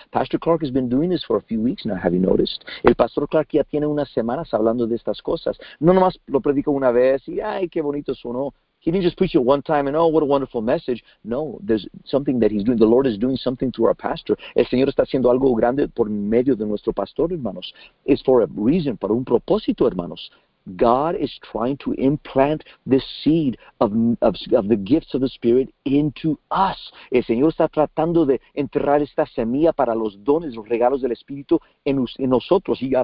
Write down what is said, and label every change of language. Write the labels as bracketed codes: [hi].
[en] Pastor Clark has been doing this for a few weeks now, have you noticed? [es] El Pastor Clark ya tiene unas semanas hablando de estas cosas. No nomás lo predico una vez y, ay, qué bonito sonó. [en] He didn't just preach it one time and, oh, what a wonderful message. No, there's something that he's doing. The Lord is doing something through our pastor. [es] El Señor está haciendo algo grande por medio de nuestro pastor, hermanos. [en] It's for a reason, [es] para un propósito, hermanos. [en] God is trying to implant the seed of the gifts of the Spirit into us. [es] El Señor está tratando de enterrar esta semilla para los dones, los regalos del Espíritu en nosotros.